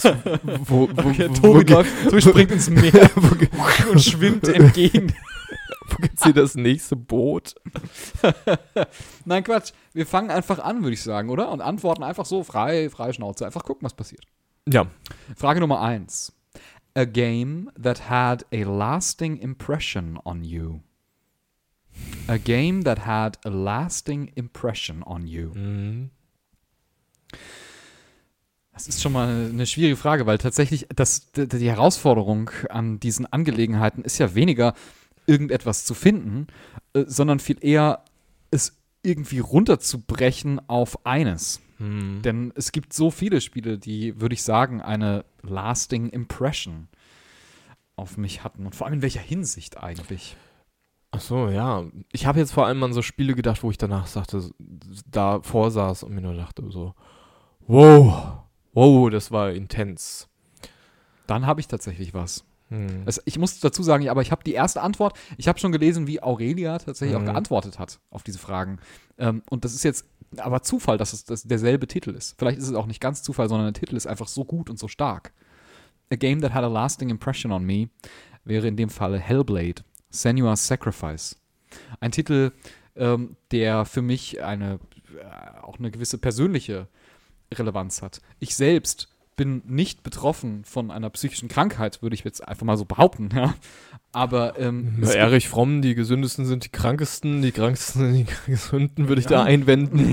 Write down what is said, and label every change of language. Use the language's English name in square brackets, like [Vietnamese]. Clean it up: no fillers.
[German] Tobi springt ins Meer. Und schwimmt entgegen. Wo gibt es hier das nächste Boot? Nein, Quatsch. Wir fangen einfach an, würde ich sagen, oder? Und antworten einfach so frei Schnauze. Einfach gucken, was passiert. Ja. Frage Nummer 1. [English] A game that had a lasting impression on you. A game that had a lasting impression on you. [German] Das ist schon mal eine schwierige Frage, weil tatsächlich die Herausforderung an diesen Angelegenheiten ist ja weniger, irgendetwas zu finden, sondern viel eher, es irgendwie runterzubrechen auf eines. Denn es gibt so viele Spiele, die, würde ich sagen, eine [English] lasting impression [German] auf mich hatten. Und vor allem in welcher Hinsicht eigentlich? Ach so, ja. Ich habe jetzt vor allem an so Spiele gedacht, wo ich danach sagte, da vorsaß und mir nur dachte so, wow. Wow, das war intens. dann habe ich tatsächlich was. Also ich muss dazu sagen, ja, aber ich habe die erste Antwort, ich habe schon gelesen, wie Aurelia tatsächlich auch geantwortet hat auf diese Fragen. Und das ist jetzt aber Zufall, dass es dass derselbe Titel ist. Vielleicht ist es auch nicht ganz Zufall, sondern der Titel ist einfach so gut und so stark. [English] A game that had a lasting impression on me [German] wäre in dem Falle [English] Hellblade, Senua's Sacrifice. [German] Ein Titel, der für mich eine auch eine gewisse persönliche Relevanz hat. Ich selbst bin nicht betroffen von einer psychischen Krankheit, würde ich jetzt einfach mal so behaupten. Ja. Aber Erich Fromm, die Gesündesten sind die Krankesten sind die Gesunden, würde ich da einwenden.